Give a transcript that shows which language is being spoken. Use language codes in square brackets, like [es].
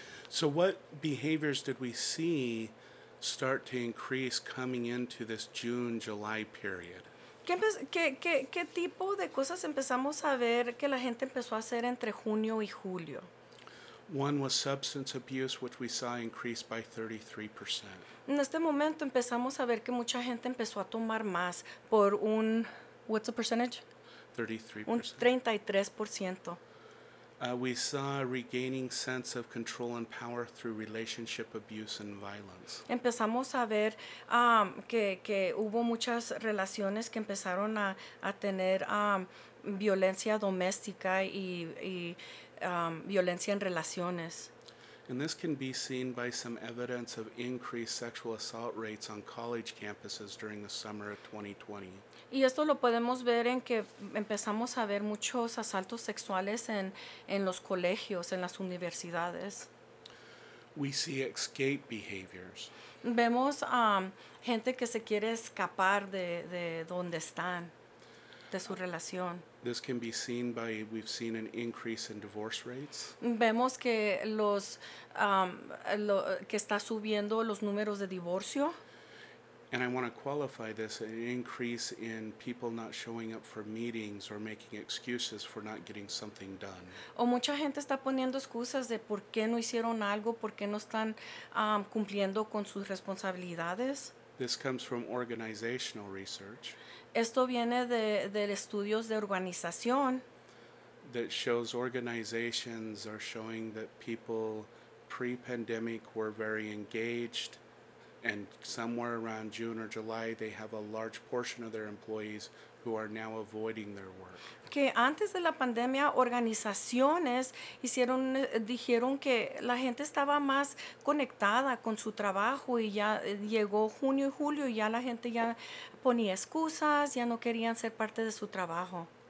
[en] So what behaviors did we see start to increase coming into this June-July period? [es] ¿Qué tipo de cosas empezamos a ver que la gente empezó a hacer entre junio y julio? [en] One was substance abuse, which we saw increase by 33%. [es] En este momento empezamos a ver que mucha gente empezó a tomar más por un, [en] what's the percentage? 33%. [es] Un 33%. [en] We saw a regaining sense of control and power through relationship abuse and violence. [es] Empezamos a ver que hubo muchas relaciones que empezaron a tener violencia doméstica y violencia en relaciones. [en] And this can be seen by some evidence of increased sexual assault rates on college campuses during the summer of 2020. [es] Y esto lo podemos ver en que empezamos a ver muchos asaltos sexuales en los colegios, en las universidades. [en] We see escape behaviors. [es] Vemos gente que se quiere escapar de donde están, de su relación. [en] This can be seen by, we've seen an increase in divorce rates. [es] Vemos que los, lo, que está subiendo los números de divorcio. [en] And I want to qualify this, an increase in people not showing up for meetings or making excuses for not getting something done. [es] O mucha gente está poniendo excusas de por qué no hicieron algo, por qué no están cumpliendo con sus responsabilidades. [en] This comes from organizational research. [es] Esto viene de estudios de organización. [en] That shows organizations are showing that people pre-pandemic were very engaged. And somewhere around June or July, they have a large portion of their employees who are now avoiding their work. [es] Que antes de la pandemia, organizaciones dijeron que la gente estaba más conectada con su trabajo y ya llegó junio y julio y ya la gente ya ponía excusas, ya no querían ser parte de su trabajo.